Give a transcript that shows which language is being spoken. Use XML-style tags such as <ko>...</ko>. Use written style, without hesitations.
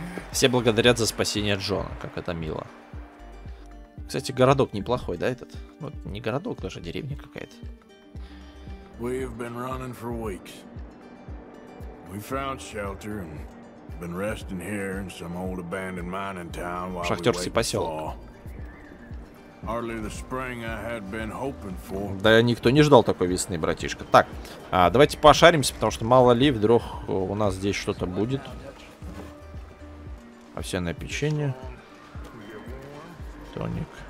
<ru>Все благодарят за спасение Джона, как это мило. Кстати, городок неплохой, да, этот? Вот не городок, даже деревня какая-то.</ru> <en>We've been running for weeks. We found shelter and been resting here in some old abandoned mining town while</en> <ru>Шахтерский</ru> <en>we waited for. Hardly the spring I had been hoping for.</en> <ru>Да никто не ждал такой весны, братишка. Так, а давайте пошаримся, потому что мало ли вдруг у нас здесь что-то будет. Овсяное печенье. Тоник.</ru>